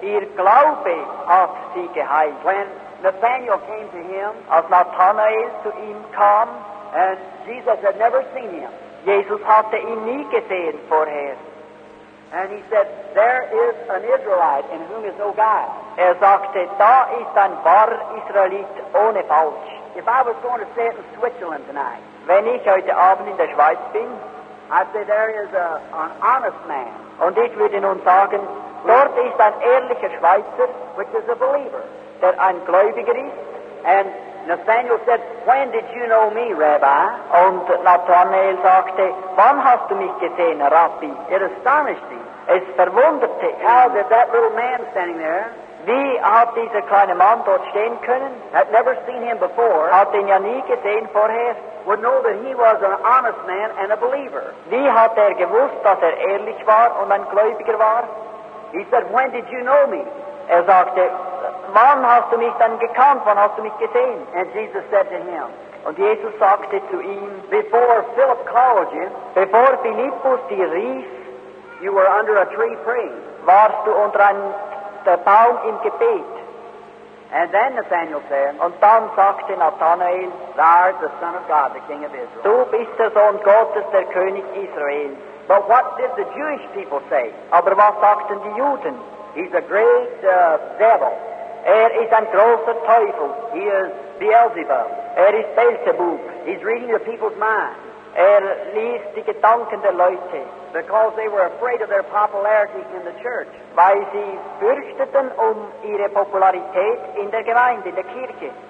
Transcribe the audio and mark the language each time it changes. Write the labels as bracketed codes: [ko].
[de] Ihr Glaube hat sie geheilt. [en] When Nathanael came to him, [de] als Nathanael zu ihm kam, [en] and Jesus had never seen him. [de] Jesus hatte ihn nie gesehen vorher. [en] And he said, there is an Israelite in whom is no guile. [de] Sagte, da ist ein wahrer Israelit ohne Falsch. [en] If I was going to say it in Switzerland tonight, [de] wenn ich heute Abend in der Schweiz bin, [en] I'd say there is an honest man. [de] Und ich würde nun sagen, dort ist ein ehrlicher Schweizer, [en] which is a believer, [de] der ein Gläubiger ist. [en] And Nathanael said, when did you know me, Rabbi? [de] Und Nathanael sagte, wann hast du mich gesehen, Rabbi? [en] It astonished me. [de] Es verwunderte. [en] How did that little man standing there? [de] Wie hat dieser kleine Mann dort stehen können? [en] Had never seen him before. [de] Hat ihn ja nie gesehen vorher. [en] Would know that he was an honest man and a believer. [de] Wie hat gewusst, dass ehrlich war und ein Gläubiger war? [en] He said, when did you know me? [de] Sagte, wann hast du mich dann gekannt? Wann hast du mich gesehen? [en] And Jesus said to him, [de] und Jesus sagte zu ihm, [en] before Philip called you, [de] bevor Philippus dir rief, [en] you were under a tree praying. [de] Warst du unter einem Baum im Gebet. [en] And then Nathanael said, [de] und dann sagte Nathanael, [en] thou art the Son of God, the King of Israel. [de] Du bist der Sohn Gottes, der König Israel. [en] But what did the Jewish people say? [de] Aber was sagten die Juden? [en] He's a great devil. [de] Ist ein großer Teufel. [en] He is Beelzebub. [de] Ist Beelzebub. [en] He's reading the people's mind. [de] Liest die Gedanken der Leute. [en] Because they were afraid of their popularity in the church. [de] Weil sie fürchteten ihre Popularität in der Gemeinde, in der Kirche.